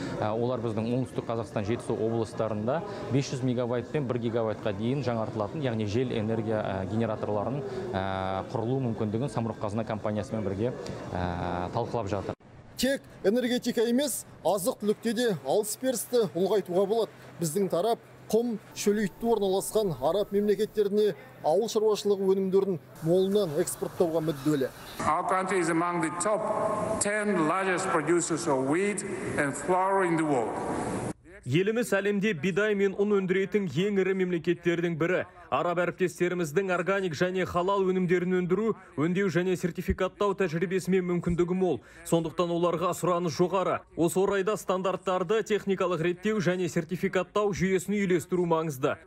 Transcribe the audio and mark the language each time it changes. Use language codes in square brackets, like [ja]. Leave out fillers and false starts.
[kk] Олар біздің оңтүстік Қазақстан жетісу облыстарында 500 мегабайт пен 1 гигабайтқа дейін жаңартылатын, яғни жел энергия генераторларын құрылу мүмкіндігін Самұрық-Қазына компаниясымен бірге талқылап жатыр. Тек энергетика емес, азық-түлікте де алыс-берісті ұлғайтуға болады. Біздің тарап құм, шөлейтті орналасқан араб мемлекеттеріне ауыл шаруашылығы өнімдерін молынан экспорттауға мүдделі. [en] Our country is among the top 10 largest producers of wheat and flour in the world. [kk] Еліміз әлемде бидай мен ұн өндіретін ең ірі мемлекеттердің бірі. Араб әріптестеріміздің органик және халал өнімдерін өндіру, өндеу және сертификаттау тәжірибесімен мүмкіндігі мол. Сондықтан оларға сұраныс жоғары. Осы орайда стандарттарды техникалық реттеу және сертификаттау жүйесін үйлестіру маңызды.